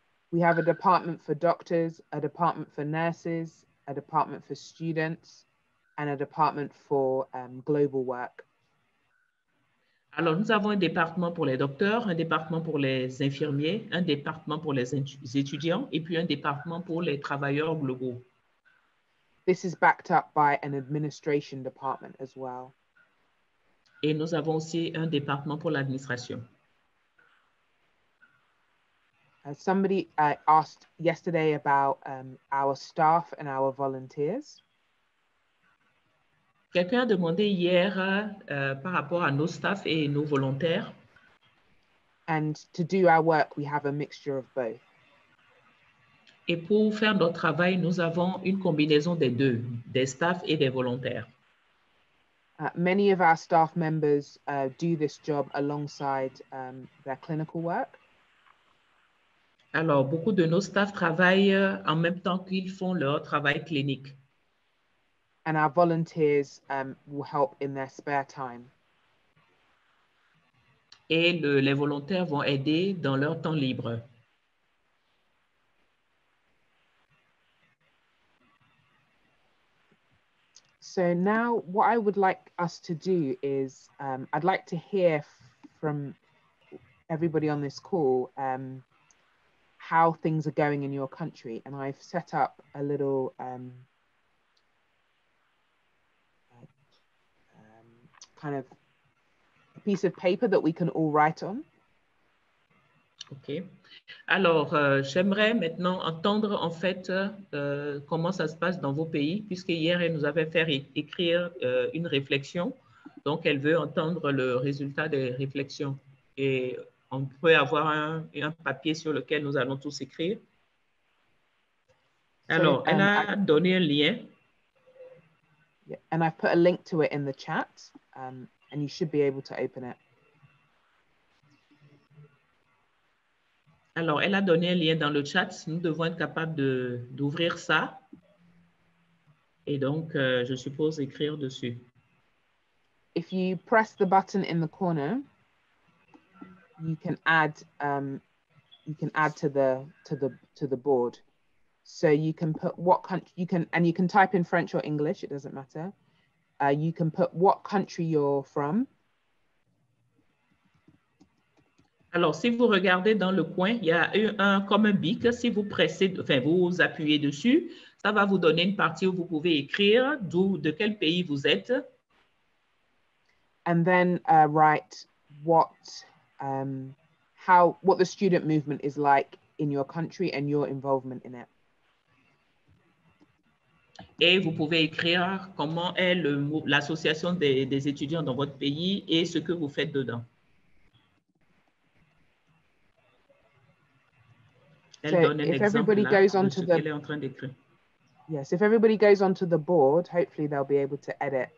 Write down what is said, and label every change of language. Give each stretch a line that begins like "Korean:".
English: We have a department for doctors, a department for nurses, a department for students, and a department for global work.
French: Alors, nous avons un département pour les docteurs, un département pour les infirmiers, un département pour les étudiants, et puis un département pour les travailleurs globaux.
English: This is backed up by an administration department as well.
French: Et nous avons aussi un département pour l'administration.
English: Somebody asked yesterday about our staff and our volunteers.
French: Quelqu'un a demandé hier par rapport à nos staff et nos volontaires.
English: And to do our work, we have a mixture of both.
French: Et pour faire notre travail, nous avons une combinaison des deux, des staff et des volontaires.
English: Many of our staff members do this job alongside their clinical work.
French: Alors, beaucoup de nos staff travaillent en même temps qu'ils font leur travail clinique.
English: And our volunteers will help in their spare time.
French: Et les volontaires vont aider dans leur temps libre.
English: So now what I would like us to do is I'd like to hear from everybody on this call how things are going in your country. And I've set up a little kind of a piece of paper that we can all write on. Okay.
French: Alors, j'aimerais maintenant entendre, en fait, comment ça se passe dans vos pays, puisque hier, elle nous avait fait écrire une réflexion. Donc, elle veut entendre le résultat des réflexions. Et on peut avoir un papier sur lequel nous allons tous écrire. Alors, elle a donné un lien.
English: Yeah, and I've put a link to it in the chat, and you should be able to open it.
French: Alors, elle a donné un lien dans le chat. Nous devons être capables d'ouvrir ça. Et donc, je suppose écrire dessus.
English: If you press the button in the corner, you can add to the board. So you can put what country you can, and you can type in French or English. It doesn't matter. You can put what country you're from.
French: Alors, si vous regardez dans le coin, il y a comme un bic. Si vous pressez, enfin, vous appuyez dessus, ça va vous donner une partie où vous pouvez écrire d'où, de quel pays vous êtes.
English: And then write what, how, what the student movement is like in your country and your involvement in it.
French: Et vous pouvez écrire comment est l'association des étudiants dans votre pays et ce que vous faites dedans.
English: So if everybody goes onto the board, hopefully they'll be able to edit.